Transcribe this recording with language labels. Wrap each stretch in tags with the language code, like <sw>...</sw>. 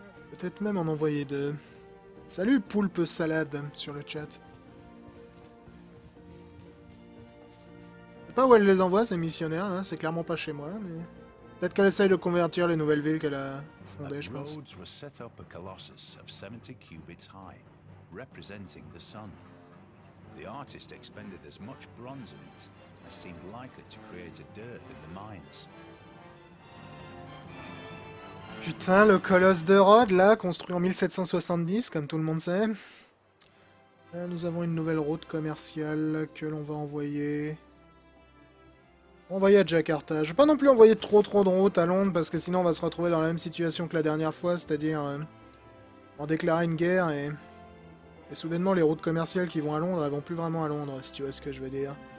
<fr>Peut-être même en envoyer deux. Salut, poulpe salade, sur le chat. Je sais pas où elle les envoie, ces missionnaires, là. C'est clairement pas chez moi, mais... Peut-être qu'elle essaye de convertir les nouvelles villes qu'elle a fondées, je pense.</fr> <en>Rhodes was set up a colossus of 70 cubits high, representing the sun. The artist expended as much bronze in it as seemed likely to create a dearth in the mines.</en> <fr>Putain, le colosse de Rhodes, là, construit en 1770, comme tout le monde sait. Là, nous avons une nouvelle route commerciale que l'on va envoyer. Envoyer à Jakarta. Je vais pas non plus envoyer trop de routes à Londres parce que sinon on va se retrouver dans la même situation que la dernière fois, c'est-à-dire en déclarer une guerre et soudainement les routes commerciales qui vont à Londres, elles vont plus vraiment à Londres, si tu vois ce que je veux dire.</fr>